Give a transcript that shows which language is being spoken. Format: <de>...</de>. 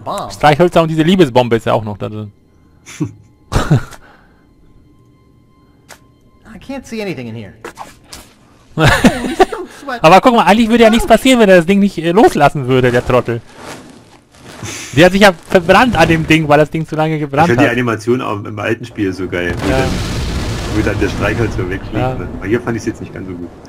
<de>Streichhölzer und diese Liebesbombe ist ja auch noch da drin.</de> <en>I can't see anything in here.</en> <de>Aber guck mal, eigentlich würde ja nichts passieren, wenn er das Ding nicht loslassen würde, der Trottel. Der hat sich ja verbrannt an dem Ding, weil das Ding zu lange gebrannt hat. Ich finde die Animation auch im alten Spiel so geil, wo dann der Streichholz so wegfliegt. Ja. Ne? Aber hier fand ich es jetzt nicht ganz so gut.</de>